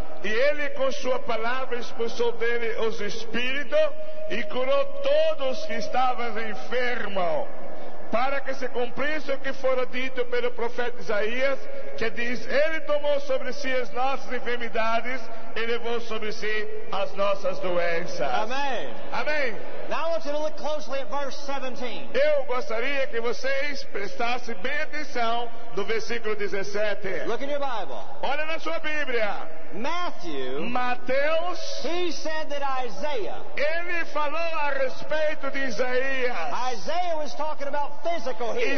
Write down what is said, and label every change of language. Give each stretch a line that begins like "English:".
Portuguese: E ele com sua palavra expulsou dele os espíritos e curou todos que estavam enfermos. Para que se cumprisse o que fora dito pelo profeta Isaías, que diz, ele tomou sobre si as nossas enfermidades e levou sobre si as nossas doenças. Amém. Amém.
English: Now I want you to look closely at verse 17.
Portuguese: Eu gostaria que vocês prestassem bem atenção no versículo 17.
English: Look in your Bible.
Portuguese: Olha na sua Bíblia.
English: Matthew,
Portuguese: Mateus,
English: he said that Isaiah,
Portuguese: ele falou a respeito de Isaías.
English: Isaiah was talking about physical healing.